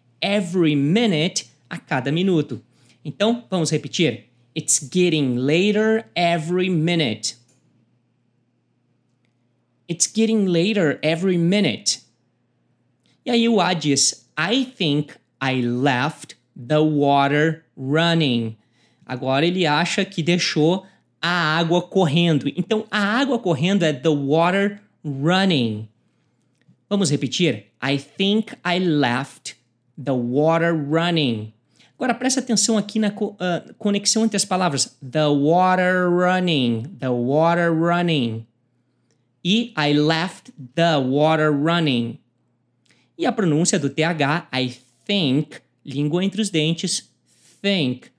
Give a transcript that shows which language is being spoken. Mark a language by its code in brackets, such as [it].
[en] Every minute, [pt] a cada minuto. Então, vamos repetir. [en] It's getting later every minute. It's getting later every minute. [pt] E aí o A diz, [en] I think I left the water running. [pt] Agora ele acha que deixou a água correndo. Então, a água correndo é [en] the water running. [pt] Vamos repetir? [en] I think I left the water running. [pt] Agora, presta atenção aqui na conexão entre as palavras. [en] The water running. The water running. [pt] E [en] I left the water running. [pt] E a pronúncia do TH, [en] I think, [pt] língua entre os dentes, think.